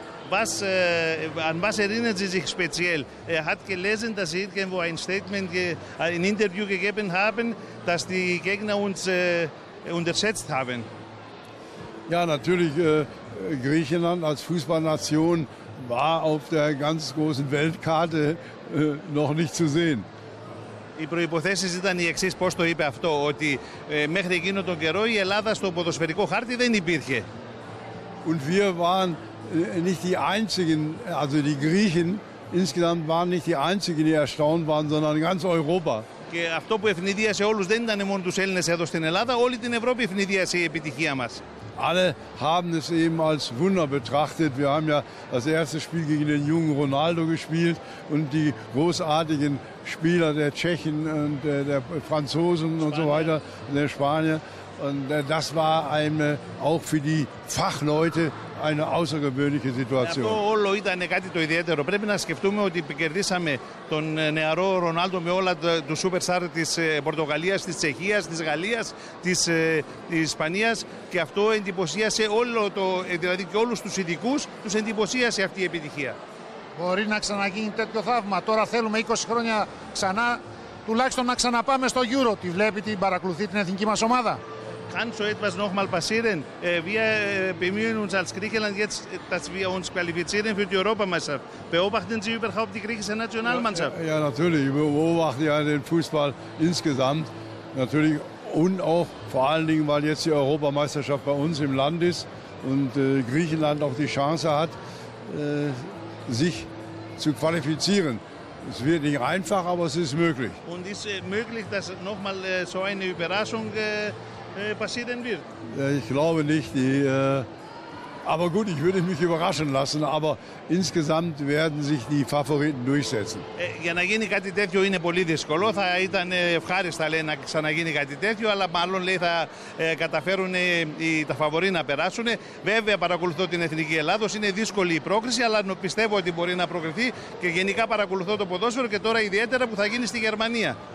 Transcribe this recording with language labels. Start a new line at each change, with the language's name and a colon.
German: Was, an was erinnert Sie sich speziell? Er hat gelesen, dass Sie irgendwo ein Statement, ein Interview gegeben haben, dass die Gegner uns unterschätzt haben. Ja, natürlich, Griechenland als Fußballnation war auf der ganz großen Weltkarte noch nicht zu sehen.
Greek: Οι προϋποθέσεις ήταν οι εξής, πώς το είπε αυτό, ότι μέχρι εκείνο τον καιρό η Ελλάδα στο ποδοσφαιρικό χάρτη δεν υπήρχε.
German: Und wir waren nicht die einzigen, also die Griechen insgesamt waren nicht die einzigen, die erstaunt waren, sondern ganz Europa.
Greek: Και αυτό που ευνηδίασε όλους δεν ήταν μόνο τους Έλληνες εδώ στην Ελλάδα, όλη την Ευρώπη ευνηδίασε η επιτυχία μας.
German: Alle haben es eben als Wunder betrachtet. Wir haben ja das erste Spiel gegen den jungen Ronaldo gespielt und die großartigen Spieler der Tschechen und der Franzosen und so weiter, der Spanier. Und das war eine, auch für die Fachleute eine außergewöhnliche Situation.
Greek: Αυτό όλο ήταν κάτι το ιδιαίτερο. Πρέπει να σκεφτούμε ότι κερδίσαμε τον νεαρό Ρονάλντο με όλα του σούπερστάρ της Πορτογαλίας, της Τσεχίας, της Γαλλίας, της Ισπανίας και αυτό εντυπωσίασε όλο το, δηλαδή και όλους τους ειδικούς τους εντυπωσίασε αυτή η επιτυχία. Μπορεί να ξαναγίνει τέτοιο θαύμα. Τώρα θέλουμε 20 χρόνια ξανά τουλάχιστον να ξαναπάμε στο Euro. Τη βλέπει, την παρακολουθεί την εθνική μας ομάδα?
German: Kannst du etwas nochmal passieren? Wir bemühen uns als Griechenland jetzt, dass wir uns qualifizieren für die Europameisterschaft. Beobachten Sie überhaupt die griechische Nationalmannschaft? Ja, ja, natürlich. Ich beobachte ja den Fußball insgesamt. Natürlich und auch vor allen Dingen, weil jetzt die Europameisterschaft bei uns im Land ist und Griechenland auch die Chance hat, sich zu qualifizieren. Es wird nicht einfach, aber es ist möglich. Und ist möglich, dass nochmal so eine Überraschung passieren wird? Ich glaube nicht. Aber gut, ich würde mich überraschen lassen. Aber insgesamt werden sich die Favoriten durchsetzen.
Greek: Για να γίνει κάτι τέτοιο είναι πολύ δύσκολο. Θα ήταν ευχάριστα, λέει, να ξαναγίνει κάτι τέτοιο. Αλλά μάλλον, λέει, θα καταφέρουν τα φαβορί να περάσουν. Βέβαια, παρακολουθώ την Εθνική Ελλάδος. Είναι δύσκολη η πρόκριση, αλλά πιστεύω ότι μπορεί να προκριθεί. Και γενικά παρακολουθώ το ποδόσφαιρο και τώρα ιδιαίτερα που θα γίνει στη Γερμανία.